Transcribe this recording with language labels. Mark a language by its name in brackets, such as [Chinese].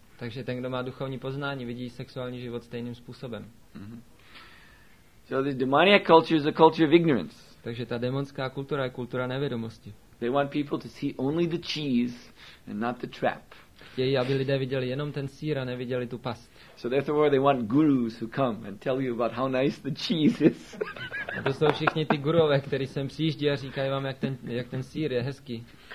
[Czech] Takže ten, kdo má duchovní poznání, vidí sexuální život stejným způsobem. [English] So the demoniac culture is a culture of ignorance. [Czech] Takže ta démonská kultura je kultura nevědomosti. [English] They want people to see only the cheese and not the trap. [Czech] Chtějí, aby lidé viděli jenom ten sýr a neviděli tu past. [English] So therefore they want gurus who come and tell you about how nice the cheese is. [Czech] A to jsou všichni ty gurové, kteří sem přijíždí a říkají vám, jak ten sýr je hezký.